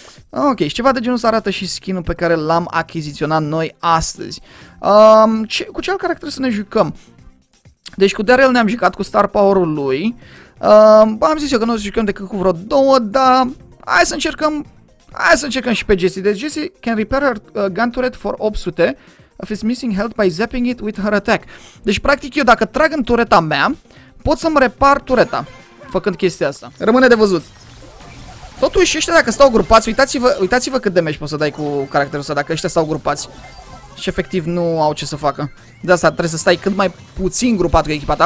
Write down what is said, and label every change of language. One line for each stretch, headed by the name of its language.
Romanian: Ok, și ceva de genul să arată și skin-ul pe care l-am achiziționat noi astăzi. Cu ce alt caracter să ne jucăm? Deci cu Daryl ne-am jucat cu star power-ul lui. Am zis eu că nu o să jucăm decât cu vreo două, dar hai să încercăm. Hai să încercăm și pe Jesse.
English: Deci Jesse can repair her gun turret for 800 if it's missing health by zapping it with her attack.
Romanian: Deci practic eu dacă trag în tureta mea, pot să-mi repar tureta făcând chestia asta. Rămâne de văzut. Totuși, ăștia dacă stau grupați, uitați-vă cât damage poți să dai cu caracterul ăsta dacă ăștia stau grupați. Și efectiv nu au ce să facă. De asta trebuie să stai cât mai puțin grupat cu echipa ta.